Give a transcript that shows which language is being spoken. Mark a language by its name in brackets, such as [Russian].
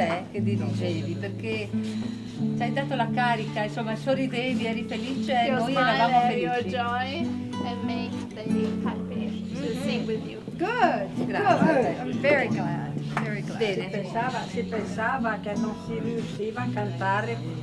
[Italian] che dicevi, perché ci hai dato la carica, insomma sorridevi, eri felice, [English] your [Italian] noi eravamo felici. [English] Smile, your joy, and make them happy to sing with you. Good. I'm very glad, very glad. [Italian] Bene. Si pensava che non si riusciva a cantare